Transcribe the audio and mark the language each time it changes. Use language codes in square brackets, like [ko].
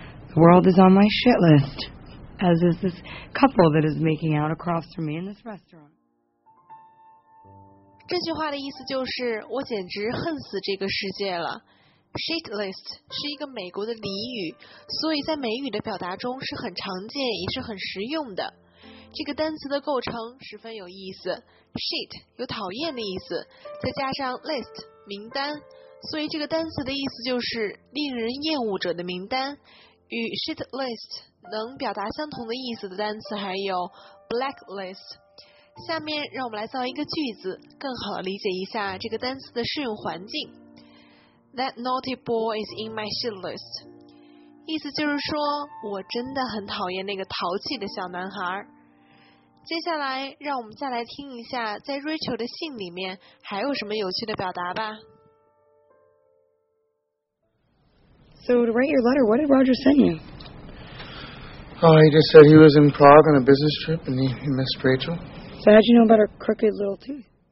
[en] The world is on my shit list, as is this couple that is making out across from me in this restaurant. [zh] 这句话的意思就是我简直恨死这个世界了。 Shit list 是一个美国的俚语，所以在美语的表达中是很常见也是很实用的。这个单词的构成十分有意思。 Shit 有讨厌的意思，再加上 list 名单，所以这个单词的意思就是令人厌恶者的名单。与 shit list 能表达相同的意思的单词还有 blacklist。下面让我们来造一个句子，更好理解一下这个单词的适用环境。 [en] That naughty boy is in my shit list， [zh] 意思就是说我真的很讨厌那个淘气的小男孩。接下来让我们再来听一下在 Rachel 的信里面还有什么有趣的表达吧。 [en] So to write your letter, what did Roger send you? Oh, he just said he was in Prague on a business trip and he missed Rachel. So how'd you know about her crooked little tooth?